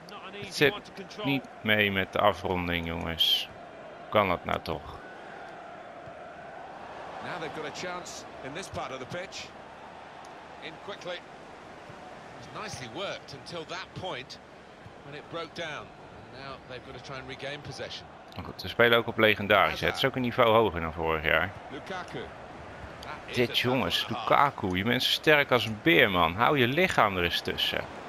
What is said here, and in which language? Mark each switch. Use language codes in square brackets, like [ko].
[nl] Het zit niet mee met de afronding, jongens. Hoe kan dat nou toch? [en] Now they've got a chance in this part of the pitch. In quickly. Nicely worked until that point when it broke down. And now they've got to try and regain possession. [nl] Goed, ze spelen ook op legendarisch. Het is ook een niveau hoger dan vorig jaar. Lukaku. Dit jongens, Lukaku, je bent zo sterk als een beer, man. Hou je lichaam er eens tussen.